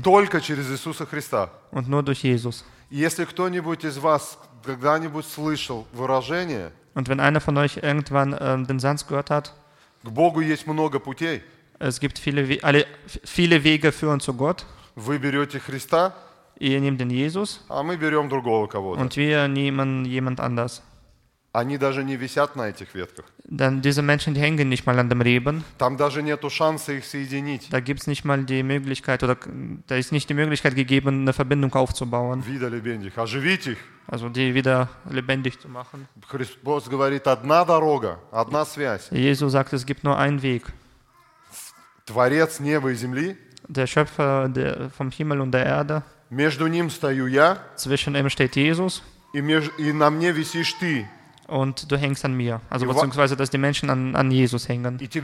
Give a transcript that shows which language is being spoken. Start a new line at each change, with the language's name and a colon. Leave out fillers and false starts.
Russian: И только через Иисуса Христа.
German: Und nur durch Jesus.
Russian: Если кто-нибудь из вас когда-нибудь слышал выражение,
German: und wenn einer von euch irgendwann den Satz gehört hat,
Russian: к Богу есть много путей,
German: es gibt viele Wege führen zu Gott,
Russian: вы берете Христа,
German: ihr nehmt den Jesus,
Russian: а мы берем другого кого-то,
German: und wir nehmen jemand anders.
Russian: Они даже не висят на этих ветках.
German: Dann diese Menschen, die hängen nicht mal an dem Reben.
Russian: Там даже нету шанса их соединить.
German: Da gibt's nicht mal die Möglichkeit oder da ist nicht die Möglichkeit gegeben, eine Verbindung aufzubauen. Wieder lebendig,
Russian: оживить их.
German: Also die wieder lebendig zu machen.
Russian: Христос говорит, одна дорога, одна связь.
German: Jesus sagt, es gibt nur einen Weg.
Russian: Творец неба и земли.
German: Der Schöpfer vom Himmel und der Erde.
Russian: Между ним стою я.
German: Zwischen ihm steht Jesus.
Russian: И на мне висишь ты.
German: Und du hängst an mir. Also beziehungsweise, dass die Menschen an Jesus hängen.